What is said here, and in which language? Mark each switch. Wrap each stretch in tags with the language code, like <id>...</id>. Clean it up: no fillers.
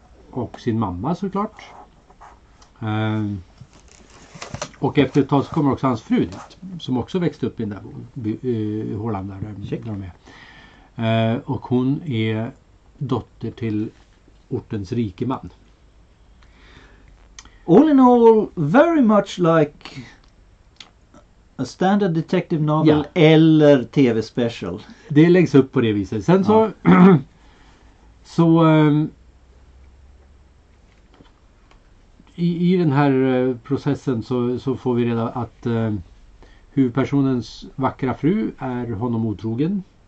<sv>Och sin mamma, såklart. Och efter ett tag så kommer också hans fru dit, som också växte upp i den där hålan där de är. Och hon är dotter till ortens rike man.</sv> <en>All in all, very much like a standard detective novel</en> <sv>eller tv-special. Det läggs upp på det viset. Sen så så i den här processen så får vi reda att huvudpersonens vackra fru är honom otrogen.</sv>